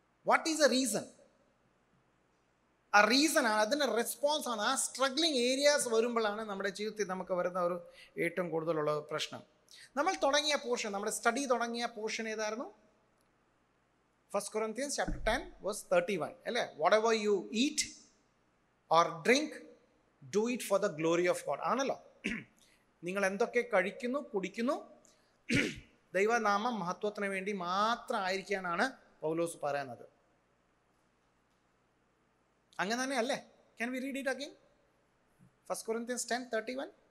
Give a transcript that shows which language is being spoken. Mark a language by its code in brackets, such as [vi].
[en] What is a reason? [ml] ആ റീസണാണ്, അതിൻ്റെ response ആണ്, ആ സ്ട്രഗ്ലിങ് ഏരിയാസ് വരുമ്പോഴാണ് നമ്മുടെ ജീവിതത്തിൽ നമുക്ക് വരുന്ന ഒരു ഏറ്റവും കൂടുതലുള്ള പ്രശ്നം. നമ്മൾ തുടങ്ങിയ പോർഷൻ, നമ്മുടെ സ്റ്റഡി തുടങ്ങിയ പോർഷൻ ഏതായിരുന്നു? [en] 1 Corinthians chapter 10 verse 31, [ml] അല്ലേ? [en] Whatever you eat or drink, do it for the glory of God. [ml] ആണല്ലോ, നിങ്ങൾ എന്തൊക്കെ കഴിക്കുന്നു കുടിക്കുന്നു ദൈവനാമ മഹത്വത്തിന് വേണ്ടി മാത്രമായിരിക്കാനാണ് പൗലോസ് പറയുന്നത്. അങ്ങനെ തന്നെ അല്ലേ? [en] Can we read it again? 1 Corinthians 10:31.